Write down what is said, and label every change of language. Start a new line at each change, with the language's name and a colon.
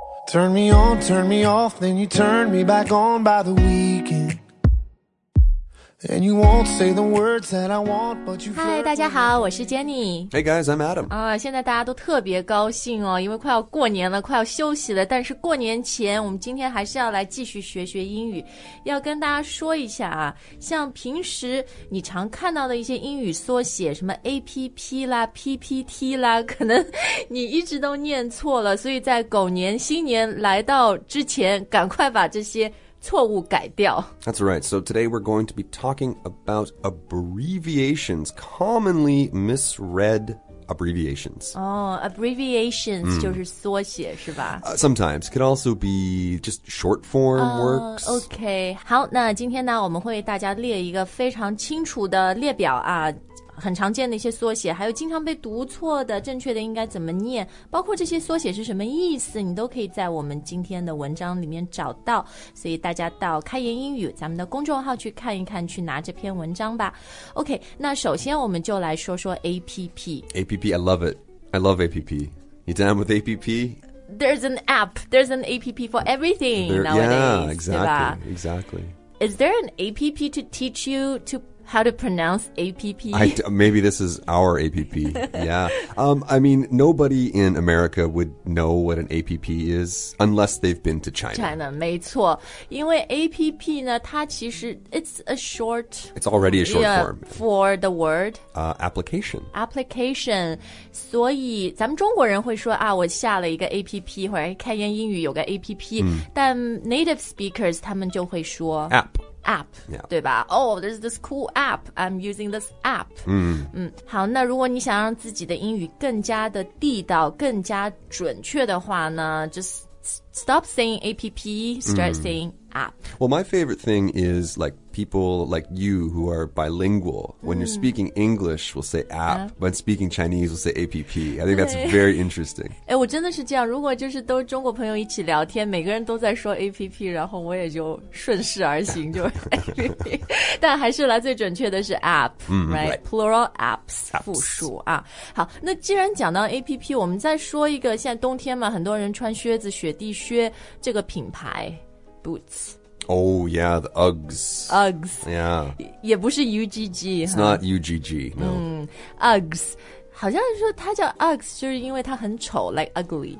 English: Turn me on, turn me off, then you turn me back on by the weekend. And you won't say the words that I want, but you've heard.
Chinese: Hi, 大家好，我是 Jenny.
English: Hey guys, I'm Adam.
Chinese: 现在大家都特别高兴哦，因为快要过年了，快要休息了。但是过年前，我们今天还是要来继续学学英语。要跟大家说一下啊，像平时你常看到的一些英语缩写，什么 APP 啦、PPT 啦，可能你一直都念错了。所以在狗年新年来到之前，赶快把这些错误改掉。
English: That's right. So today we're going to be talking about abbreviations, commonly misread abbreviations. Oh, abbreviations,
Chinese: 就是缩写是吧
English: Sometimes. Could also be just short form works. Okay.
Chinese: 好，那今天呢，我们会为大家列一个非常清楚的列表啊。很常见的一些缩写，还有经常被读错的，正确的应该怎么念，包括这些缩写是什么意思，你都可以在我们今天的文章里面找到。所以大家到开言英语咱们的公众号去看一看，去拿这篇文章吧。 OK, 那首先我们就来说说 APP.
English: APP, I love it. I love APP. You down with APP? There's an app. There's an APP for everything nowadays. Yeah, exactly, exactly. Is there an APP to teach you toHow to pronounce APP? Maybe this is our APP. Yeah. I mean, nobody in America would know what an APP is unless they've been to China.
Chinese: China, 没错。因为 APP 呢它其实
English: it's a short... It's already a short form. For the word? Application. Application.
Chinese: 所以咱们中国人会说啊我下了一个 APP, 或者开言英语有个 APP,但
English: native speakers
Chinese: 他们就会说
English: App, yeah.
Chinese: 对吧
English: Oh, there's this cool app. I'm using this app.
Chinese: 好，那如果你想让自己的英语更加的地道，更加准确的话呢
English: just stop saying APP, start saying app. Well, my favorite thing is like people like you who are bilingual. When you're speaking English, we'll say app. When speaking Chinese, we'll say APP. I think that's very interesting.
Chinese: 哎，我真的是这样。如果就是都中国朋友一起聊天，每个人都在说 APP, 然后我也就顺势而行，就 APP. 但还是来最准确的是 app,
English: right? Plural apps,
Chinese: 复数啊。好，那既然讲到 APP, 我们再说一个，现在冬天嘛，很多人穿靴子，雪地靴这个品牌。
English: Boots. Oh, yeah, the Uggs. Uggs. Yeah.
Chinese: 也不是 UGG,
English: It's、 huh? not UGG, no. Uggs.
Chinese: 好像说它叫 Uggs, 就是因为它很丑
English: like ugly.